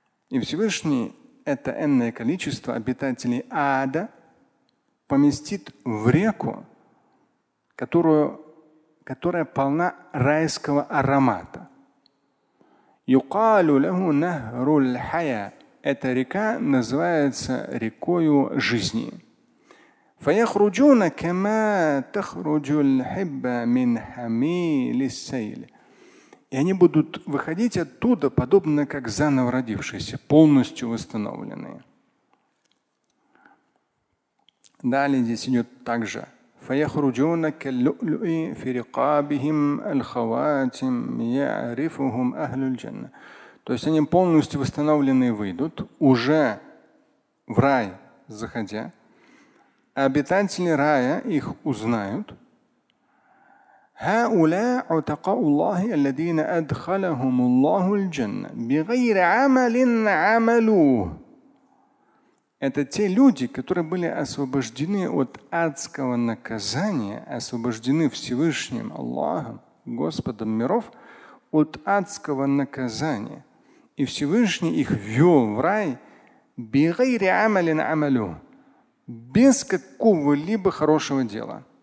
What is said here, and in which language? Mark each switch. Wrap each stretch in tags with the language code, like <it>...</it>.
<ru>И Всевышний это энное количество обитателей ада поместит в реку, которая полна райского аромата.</ru> <ar>يقال له نهر الحياة.</ar> <ru>Эта река называется рекою жизни.</ru> <ar>فيخرجون كما تخرج الحبة من حميل السيل.</ar> <ru>И они будут выходить оттуда подобно как заново родившиеся, полностью восстановленные. Далее здесь идет также:</ru> <ar>فيخرجون كاللؤلؤ في رقابهم الخواتم يعرفهم أهل الجنة.</ar> <ru>То есть они полностью восстановленные выйдут, уже в рай заходя, обитатели рая их узнают.</ru> <ar>هؤلاء عتقاء الله الذين أدخلهم الله الجنة بغير عمل عملوه.</ar> <ru>это те люди, которые были освобождены от адского наказания, освобождены Всевышним Аллахом, Господом миров, от адского наказания. И Всевышний их ввел в рай бигайри амалин амалю, без какого-либо хорошего дела.</ru>